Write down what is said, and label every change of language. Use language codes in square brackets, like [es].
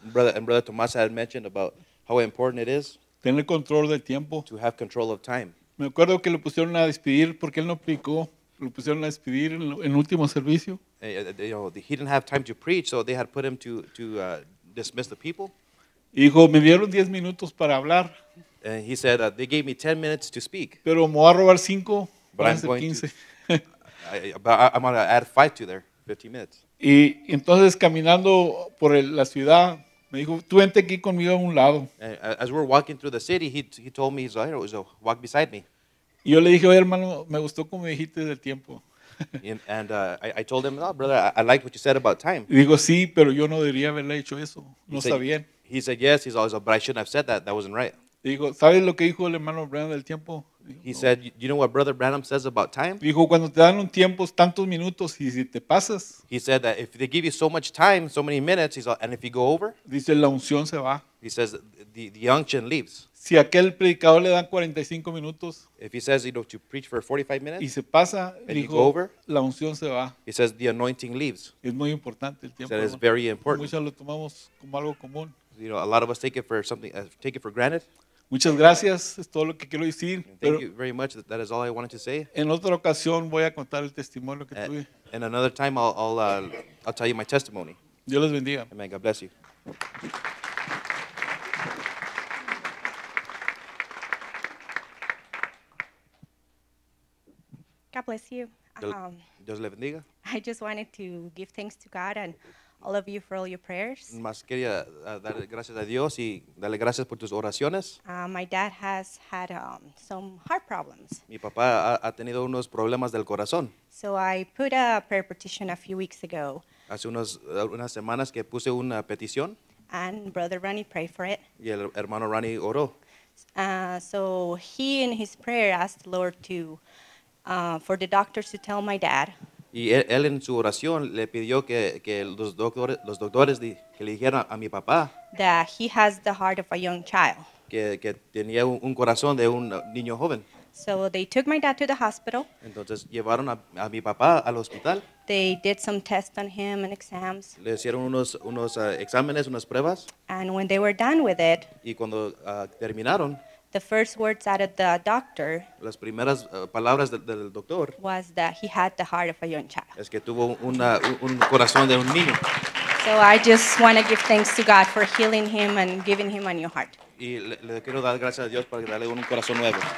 [en] Brother Tomás had mentioned about how important it is. [es] Tener control del tiempo. [en] To have control of time. [es] Me acuerdo que lo pusieron a despedir porque él no predicó. Lo pusieron a despedir en último servicio. [en] He didn't have time to preach, so they had put him to dismiss the people. [es] Dijo, me dieron 10 minutos para hablar. [en] And he said, they gave me 10 minutes to speak. [es] Pero me voy a robar 5 para hacer 15. [en] I'm going to add 5 to there, 15 minutes. [es] Y entonces caminando por la ciudad, me dijo, tú vente aquí conmigo a un lado. [en] As we're walking through the city, he told me, he said, walk beside me. [es] Y yo le dije, oye, hermano, me gustó como dijiste del tiempo. [en] And I told him, oh, brother, I liked what you said about time. [es] Y digo, sí, pero yo no debería haberle hecho eso. No está bien. [en] He said, yes, he's always, but I shouldn't have said that. That wasn't right. [es] Dijo, ¿sabes lo que dijo el hermano Branham del tiempo? [en] He said, you know what brother Branham says about time? [es] Dijo, cuando te dan un tiempo, tantos minutos, y si te pasas. [en] He said that if they give you so much time, so many minutes, and if you go over. [es] Dice, la unción se va. [en] He says, the unction leaves. [es] Si aquel predicador le dan 45 minutos. [en] If he says, you know, to preach for 45 minutes. [es] Y se pasa, [en] and [es] dijo, [en] you go over. [es] La unción se va. [en] He says, the anointing leaves. [es] Es muy importante el tiempo. [en] That is very important. [es] Muchos lo tomamos como algo común. [en] You know, a lot of us take it for granted. [es] Muchas gracias, es todo lo que quiero decir. [en] Thank you very much, that is all I wanted to say. [es] En otra ocasión voy a contar el testimonio que tuve. [en] In another time I'll tell you my testimony. [es] Dios les bendiga. [en] Amen, God bless you. God bless you. [es] Dios les bendiga. [en] I just wanted to give thanks to God and all of you for all your prayers. [es] Más quería dar gracias a Dios y darle gracias por tus oraciones. [en] My dad has had some heart problems. [es] Mi papá ha tenido unos problemas del corazón. [en] So I put a prayer petition a few weeks ago. [es] Hace unas semanas que puse una petición. [en] And brother Ronnie prayed for it. [es] Y el hermano Ronnie oró. [en] So he, in his prayer, asked the Lord to for the doctors to tell my dad. [es] Y él en su oración le pidió que los doctores que le dijeran a mi papá. [en] That he has the heart of a young child. [es] Que tenía un corazón de un niño joven. [en] So they took my dad to the hospital. [es] Entonces llevaron a mi papá al hospital. [en] They did some tests on him and exams. [es] Le hicieron unos exámenes, unas pruebas. [en] And when they were done with it. [es] Y cuando terminaron. [en] The first words out of the doctor, [es] las primeras palabras del doctor, [en] was that he had the heart of a young child. [es] Es que tuvo un corazón de un niño. [en] So I just want to give thanks to God for healing him and giving him a new heart. [es] Y le quiero dar gracias a Dios para darle un corazón nuevo.